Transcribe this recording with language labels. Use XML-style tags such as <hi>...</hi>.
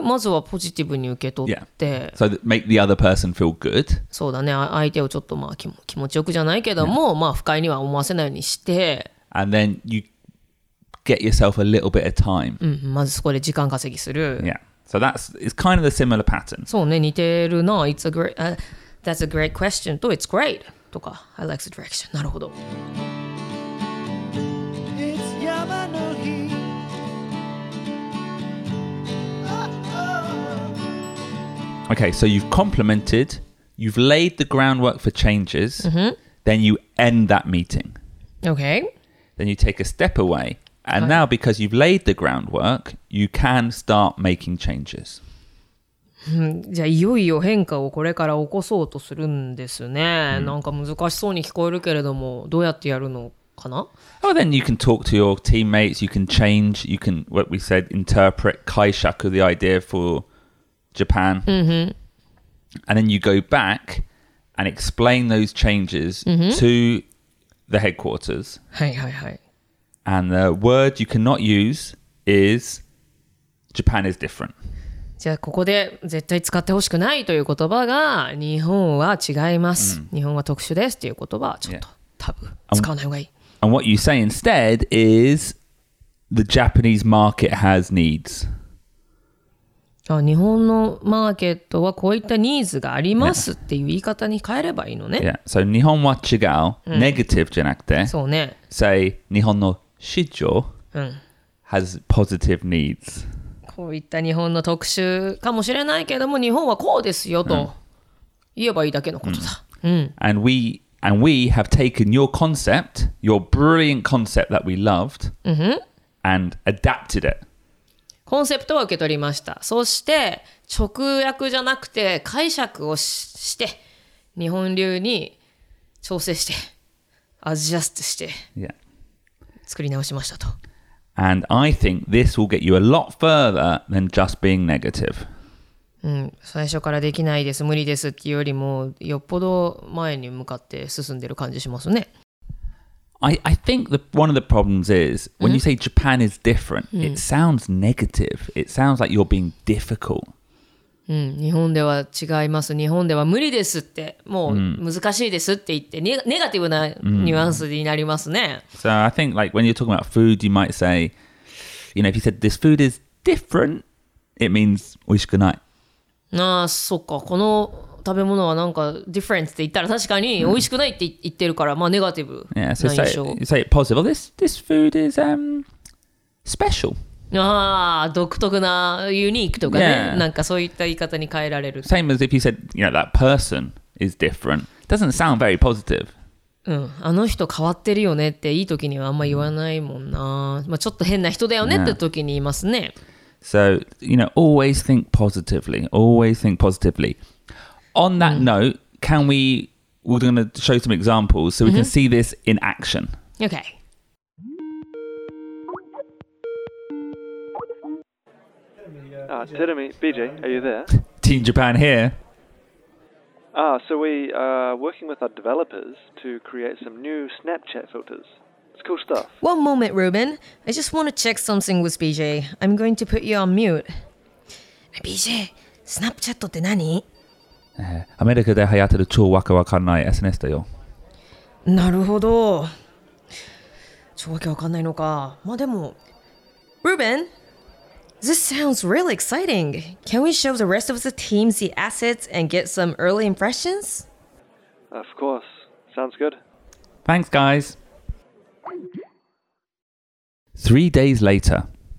<ja>まずはポジティブに受け取って、</ja> <en>yeah. So make the other person feel good.</en> <ja>そうだね、相手をちょっとまあ気持ちよくじゃないけども、yeah. まあ不快には思わせないようにして、</ja> <en>And then you get yourself a little bit of time.</en> <ja>うん、まずそこで時間稼ぎする。</ja> <en>Yeah, so that's it's kind of a similar pattern.</en> <ja>そうね、似てるな。</ja> <en>It's a great, that's a great question. と it's great. とか I like the direction.</en> <ja>なるほど。</ja> <en>Okay, so you've complimented, you've laid the groundwork for changes,、 mm-hmm. then you end that meeting. Okay. Then you take a step away, and、okay. now because you've laid the groundwork, you can start making changes.</en> <ja>じゃあいよいよ変化をこれから起こそうとするんですね。なんか難しそうに聞こえるけれども、どうやってやるのかな?</ja> <en>Oh, then you can talk to your teammates, you can change, you can, what we said, interpret kaishaku, the idea for... Japan、 mm-hmm. and then you go back and explain those changes、mm-hmm. to the headquarters、</en> <ja>はいはいはい、</ja> <en>and the word you cannot use is Japan is different</en> <ja>じゃあここで絶対使ってほしくないという言葉が日本は違います、mm. 日本は特殊ですという言葉はちょっと、yeah. 多分使わない方がいい</ja> <en>and what you say instead is the Japanese market has needs</en> <ja>日本のマーケットはこういったニーズがありますっていう言い方に変えればいいのね。</ja> <en>Yeah.</en> <ja>So 日本は違う、うん、ネガティブじゃなくて、そうね。</ja> <en>Say</en> <ja>日本の市場、うん、</ja> <en>has positive needs。</en> <ja>こういった日本の特殊かもしれないけども、日本はこうですよと言えばいいだけのことだ。うんうん、</ja> <en>And we have taken your concept, your brilliant concept that we loved,、</en> <ja>うん、</ja> <en>and adapted it.</en> <ja>コンセプトを受け取りました。そして直訳じゃなくて解釈をして日本流に調整してアジャストして作り直しましたと。</ja> <en>Yeah. And I think this will get you a lot further than just being negative.</en> <ja>うん、最初からできないです、無理ですっていうよりもよっぽど前に向かって進んでる感じしますね。</ja> <en>I think the one of the problems is when you say Japan is different, it sounds negative. It sounds like you're being difficult.</en> <ja>うん、日本では違います。日本では無理ですって、もう難しいですって言って、ネガティブなニュアンスになりますね。</ja> <en>So I think like when you're talking about food, you might say, you know, if you said this food is different, it means</en> <ja>美味しくない。なあ、そっか。この食べ物はなんか different って言ったら確かに美味しくないって言ってるから、まあネガティブな印象。</ja> <en>Yeah, so you say it positive. This food is special.</en> <ja>ああ、独特な、ユニークとかね、yeah. なんかそういった言い方に変えられる。</ja> <en>Same as if you said, you know, that person is different. Doesn't sound very positive.</en> <ja>うん、あの人変わってるよねっていい時にはあんま言わないもんな。まあ、ちょっと変な人だよねって時に言いますね。</ja> <en>Yeah. So, you know, always think positively. Always think positively. On that note, can we, we're going to show some examples so we can see this in action. Okay. Hiromi, BJ, are you there? Team Japan here. Ah, so we are working with our developers to create some new Snapchat filters. It's cool stuff. One moment, Ruben. I just want to check something with BJ. I'm going to put you on mute. BJ, Snapchat</en> <ja>って何? アメリカで流行ってる超わけわかんない SNS だよ。なるほど。超わけわかんないのか。</ja> <en>まあでも、Ruben! This sounds really exciting. Can we show the rest of the team the assets and get some early impressions? Of course. Sounds good. Thanks, guys. 3 days later.</en>